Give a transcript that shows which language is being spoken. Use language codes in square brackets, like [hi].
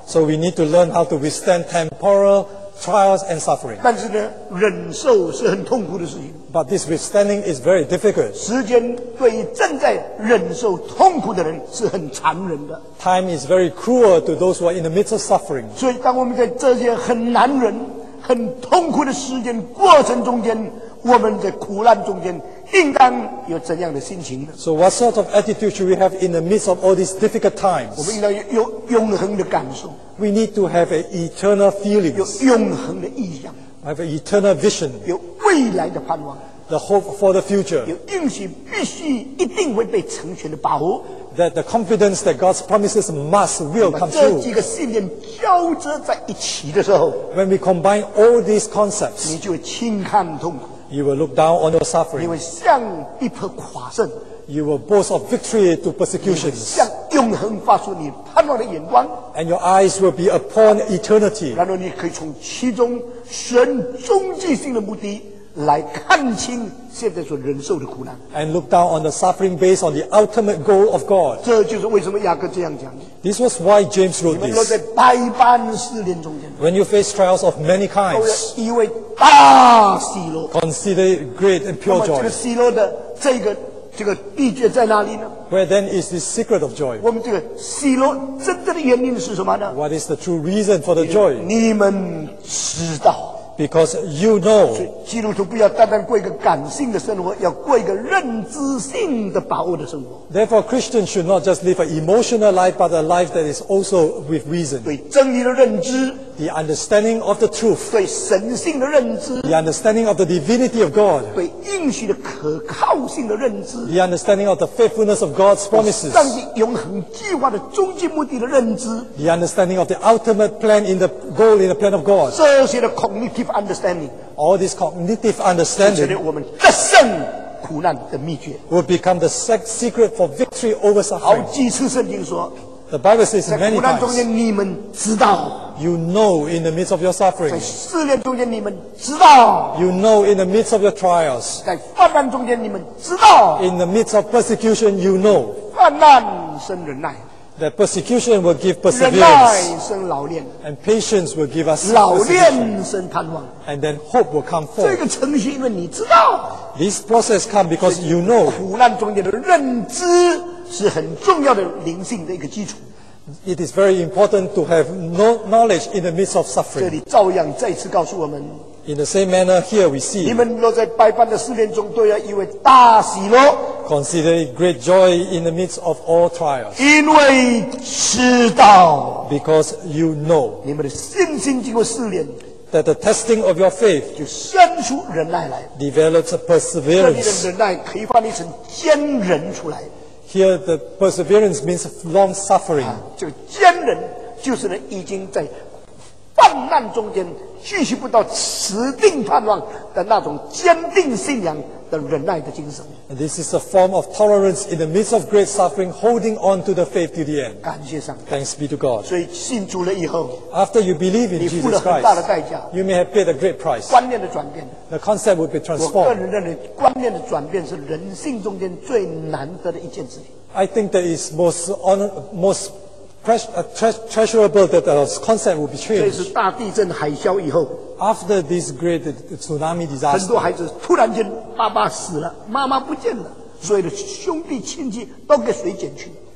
[en] So we need to learn how to withstand temporal trials and suffering. [zh] 但是呢，忍受是很痛苦的事情。 [en] But this withstanding is very difficult. [zh] 时间对于正在忍受痛苦的人是很残忍的。 [en] Time is very cruel to those who are in the midst of suffering. [zh] 所以当我们在这些很难忍很痛苦的时间过程中间，我们在苦难中间应当有怎样的心情呢？ [en] So what sort of attitude should we have in the midst of all these difficult times? [zh] 我们应当有永恒的感受。 [en] We need to have an eternal feeling. [zh] 有永恒的意象。 [en] Have an eternal vision. [zh] 有未来的盼望。 [en] The hope for the future. [zh] 有应许必须一定会被成全的把握。 [en] That the confidence that God's promises must will come true. [zh] 这几个信念交织在一起的时候， [en] When we combine all these concepts, [zh] 你就会轻看痛苦。 [en] You will look down on your suffering. [zh] 你会向逼迫夸胜。 [en] You will boast of victory to persecutions. [zh] 你会向永恒发出你盼望的眼光。 [en] And your eyes will be upon eternity. [zh] 然后你可以从其中神终极性的目的来看清现在所忍受的苦难。 [en] And look down on the suffering based on the ultimate goal of God. [zh] 这就是为什么雅各这样讲的。 [en] This was why James wrote this. [zh] 你们落在百般试炼中间。 [en] When you face trials of many kinds, [zh] 都要以为大喜乐。 [en] Consider it great and pure joy. [zh] 那么这个喜乐的这个秘诀在哪里呢？ [en] Where then is this secret of joy? [zh] 我们这个喜乐真正的原因是什么呢？ [en] What is the true reason for the joy? [zh] 你们知道。 [en] Because you know, [zh] 基督徒不要单单过一个感性的生活，要过一个认知性的把握的生活。 [en] Therefore, Christians should not just live an emotional life, but a life that is also with reason. [zh] 对真理的认知。 [en] The understanding of the truth. [zh] 对神性的认知。 [en] The understanding of the divinity of God. [zh] 对应许的可靠性的认知。 [en] The understanding of the faithfulness of God's promises. [zh] 上帝永恒计划的终极目的的认知。 [en] The understanding of the ultimate plan in the goal in the plan of God. [zh] 这些的 [en] cognitive understanding. All this cognitive understanding. [zh] 就是我们得胜苦难的秘诀。 [en] Will become the secret for victory over suffering. [zh] 好几次圣经说。 [en] The Bible says many times. [zh] 在苦难中间，你们知道。 [en] You know in the midst of your suffering. [zh] 在试炼中间，你们知道。 [en] You know in the midst of your trials. [zh] 在患难中间，你们知道。 [en] In the midst of persecution, you know. [zh] 患难生忍耐。 [en] That persecution will give perseverance. [zh] 忍耐生老练。 [en] And patience will give us. [zh] 老练生盼望。 [en] And then hope will come forth. [zh] 这个程序，因为你知道。 [en] This process comes because you know. [zh] 苦难中间的认知。是很重要的灵性的一个基础。 [en] It is very important to have knowledge in the midst of suffering. [zh] 这里照样再次告诉我们。 [en] In the same manner, here we see. [zh] 你们若在百般的试炼中，都要以为大喜乐。 [en] Consider it great joy in the midst of all trials. [zh] 因为知道。 [en] Because you know. [zh] 你们的信心经过试炼。 [en] That the testing of your faith [zh] 就生出忍耐来。 [en] Develops a perseverance. [zh] 这里的忍耐可以翻译成坚忍出来。 [en] Here, the perseverance means long suffering. [zh] 这个坚忍就是呢，已经在患难中间继续不到持定盼望的那种坚定信仰的忍耐的精神。 [en] This is a form of tolerance in the midst of great suffering, holding on to the faith to the end. [zh] 感谢上帝。 [en] Thanks be to God. [zh] 所以信主了以后 [en] ，After you believe in Jesus Christ, [zh] 你付了很大的代价。 [en] You may have paid a great price. [zh] 观念的转变。 [en] The concept will be transformed. [zh] 我个人认为，观念的转变是人性中间最难得的一件事情。 [en] I think that is most treasurable that the concept will be changed. [zh] 这是大地震海啸以后。 [en] After this great tsunami disaster, [zh] 很多孩子突然间爸爸死了，妈妈不见了，所有的兄弟亲戚都给水捡去。